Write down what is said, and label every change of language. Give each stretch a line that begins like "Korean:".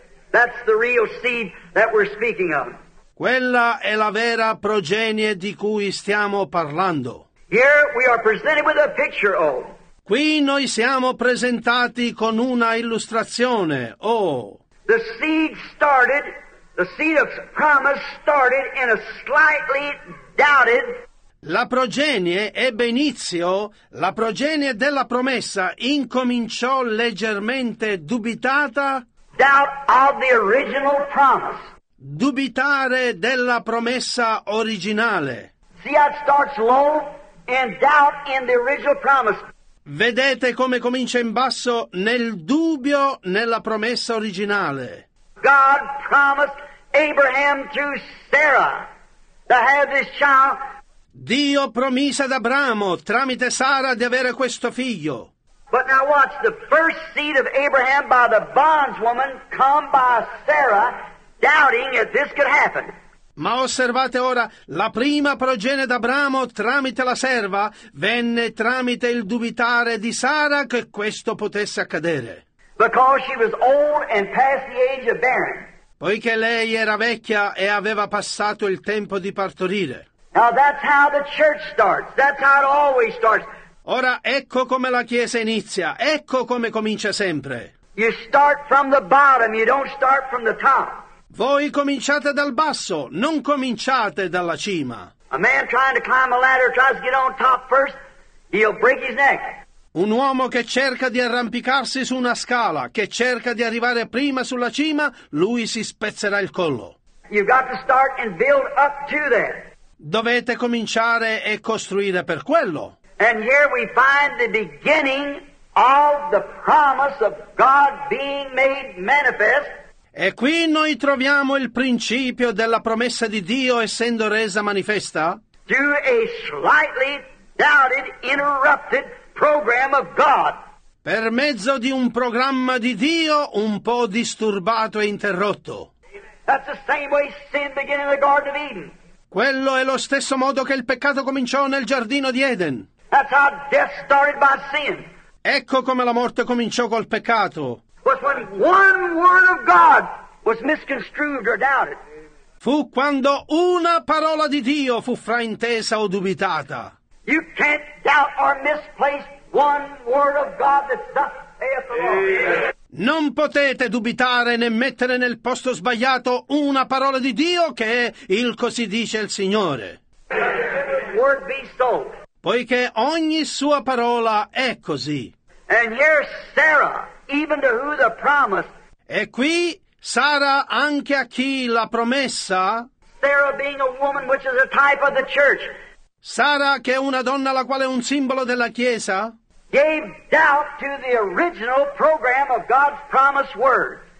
English: That's the real seed that we're speaking of.
Italian: Quella è la vera progenie di cui stiamo parlando.
English: Here we are presented with a picture of.
Italian: Qui noi siamo presentati con una illustrazione. Oh.
English: The seed started, the seed of promise started in a slightly doubted.
Italian: La progenie ebbe inizio, la progenie della promessa incominciò leggermente dubitata.
English: Doubt of the original promise.
Italian: Dubitare della promessa originale.
English: See how it starts low and doubt in the original promise.
Italian: Vedete come comincia in basso nel dubbio nella promessa originale.
English: God promised Abraham through Sarah to have this child.
Italian: Dio promise ad Abramo tramite Sara di avere questo figlio.
English: But now watch, the first seed of Abraham by the bondswoman come by Sarah, doubting if this could happen.
Italian: Ma osservate ora, la prima progenie d'Abramo tramite la serva venne tramite il dubitare di Sara che questo potesse accadere.
English: Because she was old and past the age of barren.
Italian: Poiché lei era vecchia e aveva passato il tempo di partorire.
English: Now that's how the church starts. That's how it always starts.
Italian: Ora ecco come la chiesa inizia, ecco come comincia sempre.
English: You start from the bottom, you don't start from the top.
Italian: Voi cominciate dal basso, non cominciate dalla cima.
English: A man trying to climb a ladder tries to get on top first, he'll break his neck.
Italian: Un uomo che cerca di arrampicarsi su una scala, che cerca di arrivare prima sulla cima, lui si spezzerà il collo.
English: You've got to start and build up to that.
Italian: Dovete cominciare e costruire per quello.
English: And here we find the beginning of the promise of God being made manifest.
Italian: E qui noi troviamo il principio della promessa di Dio essendo resa manifesta.
English: Through a slightly doubted, interrupted program of God.
Italian: Per mezzo di un programma di Dio un po' disturbato e interrotto.
English: That's the same way sin began in the Garden of Eden.
Italian: Quello è lo stesso modo che il peccato cominciò nel giardino di Eden.
English: That's how death started by sin.
Italian: Ecco come la morte cominciò col peccato.
English: Was when one word of God was misconstrued or doubted.
Italian: Fu quando una parola di Dio fu fraintesa o dubitata.
English: You can't doubt or misplace one word of God that thus saith the Lord.
Italian: Non potete dubitare né mettere nel posto sbagliato una parola di Dio che è il così dice il Signore.
English: Word be so.
Italian: Poiché ogni sua parola è così.
English: And here Sarah, even to who the promise.
Italian: E qui Sara anche a chi la promessa.
English: Sarah being a woman which is a type of the church.
Italian: Sara che è una donna la quale è un simbolo della Chiesa.
English: Gave doubt to the original program of God's promise word.